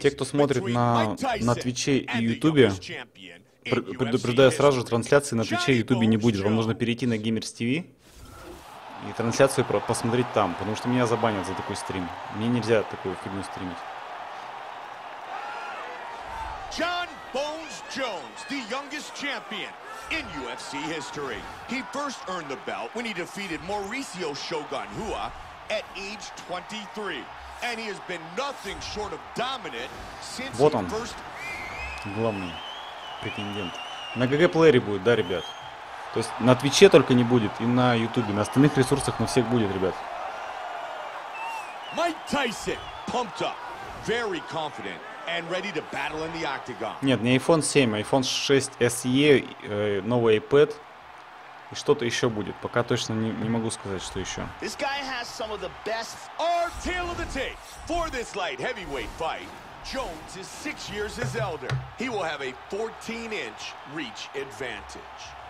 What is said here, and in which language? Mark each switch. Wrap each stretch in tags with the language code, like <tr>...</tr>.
<ru>Те, кто смотрит на Твиче и Ютубе, предупреждаю сразу же, трансляции на Твиче и Ютубе не будет. Вам нужно перейти на Gamers TV и трансляцию посмотреть там, потому что меня забанят за такой стрим. Мне нельзя такую фигню стримить.</ru> <en>John Bones Jones, the youngest champion in UFC history. He first earned the belt when he defeated Mauricio Shogun Hua at age 23. And he has been nothing short of dominant since</en> <ru>вот</ru> <en>he first...</en> <ru>Главный претендент. На GG Player будет, да, ребят? То есть на Твиче только не будет и на Ютубе. На остальных ресурсах на всех будет, ребят. Майк Тайсон,</ru> <en>pumped up, very confident. And ready to battle in the octagon.</en> <ru>Нет, не iPhone 7, iPhone 6 SE, новый iPad и что-то еще будет. Пока точно не могу сказать, что еще.</ru> <en>This guy has some of the best art tail of the tape for this light heavyweight fight. Jones is 6 years his elder. He will have a 14-inch reach advantage.</en>